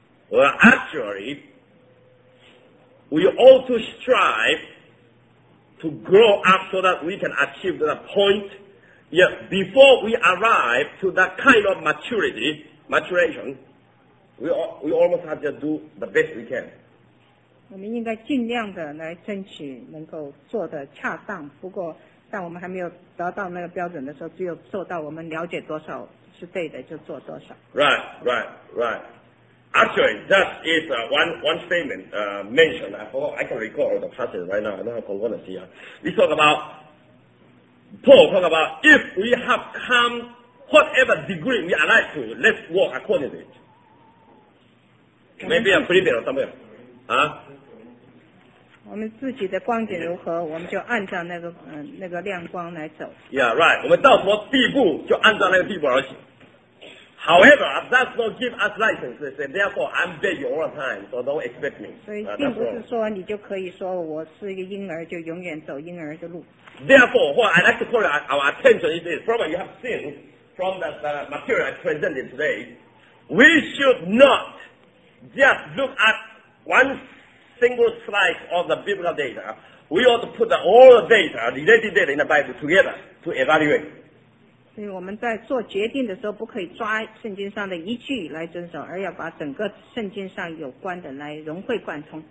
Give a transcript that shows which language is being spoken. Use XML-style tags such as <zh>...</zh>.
<en>Well, actually, we ought to strive to grow up so that we can achieve the point, yeah, before we arrive to that kind of maturation, we almost have to do the best we can.</en> <zh>我们应该尽量的来争取能够做得恰当，不过当我们还没有达到那个标准的时候，只有做到我们了解多少是对的就做多少。</zh> <en>Right. Actually, that is one statement mentioned. I can recall the passage right now. I don't have concordance here. We talk about, Paul talk about, if we have come,whatever degree we arrive to, let's walk according to it. Maybe a Philippian or somewhere. Huh?</en> <zh>我们自己的光景如何，我们就按照那个那个亮光来走。</zh> <en>Yeah, right.</en> <zh>我们到什么地步就按照那个地步而行。</zh> <en>However, that's not give us license. They say, therefore, I'm baby all the time, so don't expect me.</en> <zh>所以并不是说你就可以说我是一个婴儿就永远走婴儿的路。</zh> <en>Therefore, what I'd like to call our attention is this. Probably you have seen. From the material I presented today, we should not just look at one single slice of the biblical data. We ought to put all the data, related data in the Bible together to evaluate.</en> <zh>所以我们在做决定的时候，不可以抓圣经上的一句来遵守，而要把整个圣经上有关的来融会贯通。</zh>